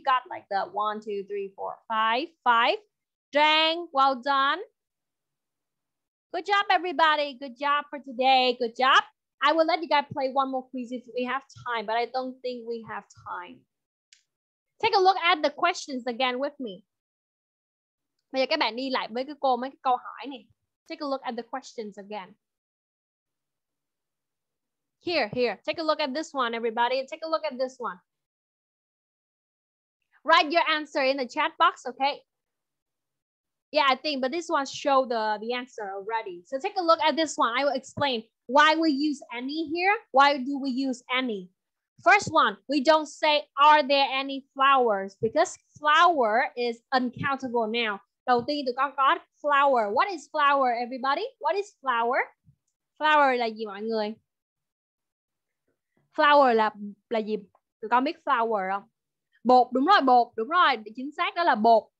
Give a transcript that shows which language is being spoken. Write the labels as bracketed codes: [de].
[en] You got like the 1, 2, 3, 4, 5. Giang, well done. Good job, everybody. Good job for today. Good job. I will let you guys play one more quiz if we have time, but I don't think we have time. Take a look at the questions again with me. [vi] Bây giờ các bạn đi lại với cái cô mấy cái câu hỏi này. [en] Take a look at the questions again. Here, here. Take a look at this one, everybody. Take a look at this one. Write your answer in the chat box, okay? Yeah, I think, but this one showed the answer already. So take a look at this one. I will explain why we use any here. Why do we use any? First one, we don't say, are there any flowers? Because flower is uncountable now. [vi] Đầu tiên tụi con có flower. [en] What is flower, everybody? What is flower? Flower [vi] là gì mọi người? Flower là gì? Tụi con biết flower không? Bột, đúng rồi, bột. Đúng rồi, chính xác đó là bột.